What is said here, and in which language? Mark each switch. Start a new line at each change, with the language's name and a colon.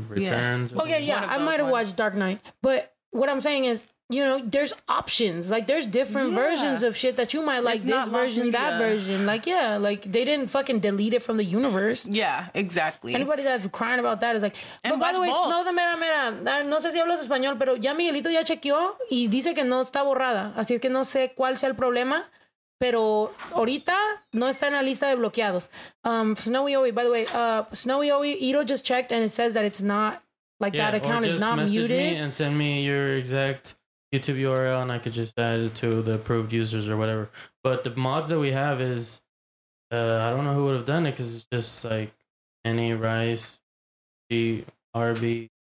English: Returns. Yeah. I might have watched Dark Knight. But what I'm saying is, you know, there's options. Like, there's different versions of shit that you might like. It's this version, that version. Like, yeah, like, they didn't fucking delete it from the universe. Yeah, exactly. Anybody that's crying about that is like... And but by the way, both.
Spanish: Snow the Mera, no sé si hablas español, pero ya Miguelito ya chequeó y dice que no está borrada. Así es que no sé cuál sea el problema, pero ahorita no está en la lista de bloqueados.
English: Snowy Owie, by the way, Snowy Owie, Ito just checked and it says that it's not... Like, that account is not muted. Message me and send me your exact YouTube URL and I could just add it to the approved users or whatever. But the mods that we have is, I don't know who would have done it because it's just like Annie Rice, G, RB.